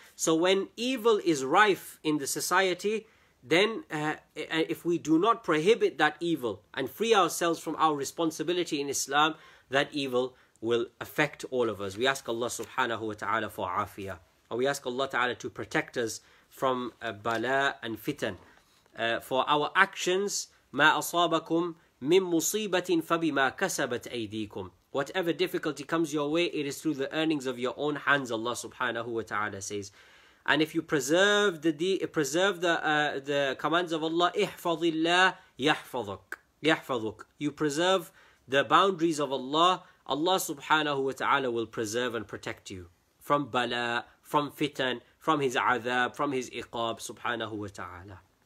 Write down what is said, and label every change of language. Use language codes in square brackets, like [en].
[en] So when evil is rife in the society, then if we do not prohibit that evil and free ourselves from our responsibility in Islam, that evil will affect all of us. We ask Allah subhanahu wa ta'ala for afiyah. And we ask Allah Ta'ala to protect us from bala and fitan. For our actions, [ar] ما أصابكم من مصيبة فبما كسبت أيديكم. [en] Whatever difficulty comes your way, it is through the earnings of your own hands, Allah Subhanahu Wa Ta'ala says. And if you preserve the commands of Allah, [ar] احفظ الله يحفظك. [en] You preserve the boundaries of Allah, Allah Subhanahu Wa Ta'ala will preserve and protect you from bala, from fitan, from his azab, from his iqab, subhanahu wa ta'ala.